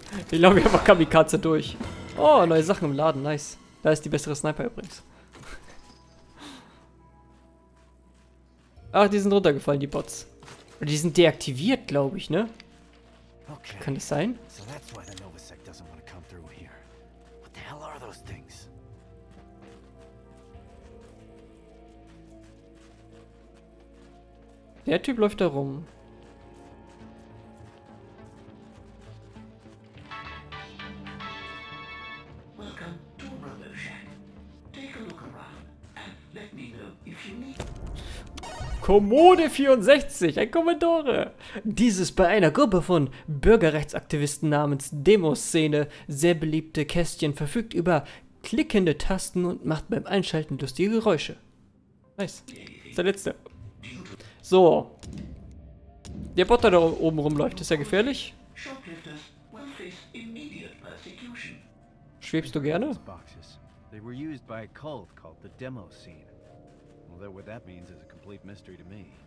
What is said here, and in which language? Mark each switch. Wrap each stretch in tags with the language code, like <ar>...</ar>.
<de>Ich laufe einfach Kamikaze durch. Oh, neue Sachen im Laden, nice. Da ist die bessere Sniper übrigens. Ach, die sind runtergefallen, die Bots. Und die sind deaktiviert, glaube ich, ne? Okay. Kann das sein?</de> <en>So that's why the Novasec doesn't want to come through here. What the hell are those things?</en> <de>Der Typ läuft da rum. Kommode 64, ein Commodore. Dieses bei einer Gruppe von Bürgerrechtsaktivisten namens Demoszene sehr beliebte Kästchen verfügt über klickende Tasten und macht beim Einschalten lustige Geräusche. Nice. Das ist der letzte. So. Der Bot da oben rumläuft, ist ja gefährlich.</de> <en>Shoplifters, one face immediate persecution.</en> <de>Schwebst du gerne?</de> <en>Boxes. They were used by a cult called the Demo Scene. Although what that means is a complete mystery to me.</en>